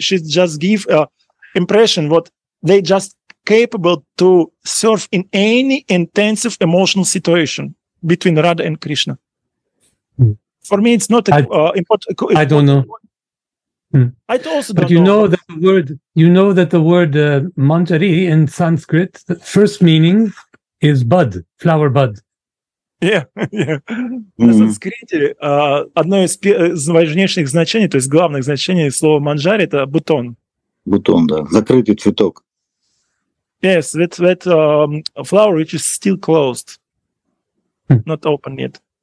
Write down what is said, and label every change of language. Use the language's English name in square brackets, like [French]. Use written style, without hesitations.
[English] She just give impression what they just capable to serve in any intensive emotional situation between Radha and Krishna. For me, it's not important. I don't know. I also don't know. But you know that the word manjari in Sanskrit, the first meaning is bud, flower bud. Yeah. [Russian] На санскрите одно из важнейших значений, то есть главных значений слова манджари – это бутон. Бутон, да. Закрытый цветок. [English] Yes, that flower which is still closed, not open yet.